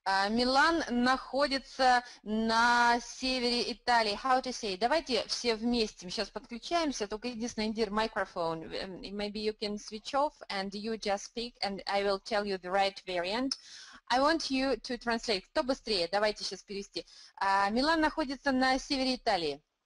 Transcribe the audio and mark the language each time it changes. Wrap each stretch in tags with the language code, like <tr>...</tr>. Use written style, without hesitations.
<ru>Milan находится на севере Италии.</ru> <en>How to say?</en> <ru>Давайте все вместе. Мы сейчас подключаемся. Только единственное, Индир, микрофон.</ru> <en>Maybe you can switch off and you just speak and I will tell you the right variant. I want you to translate.</en> <ru>Кто быстрее? Давайте сейчас перевести. Milan находится на севере Италии.</ru>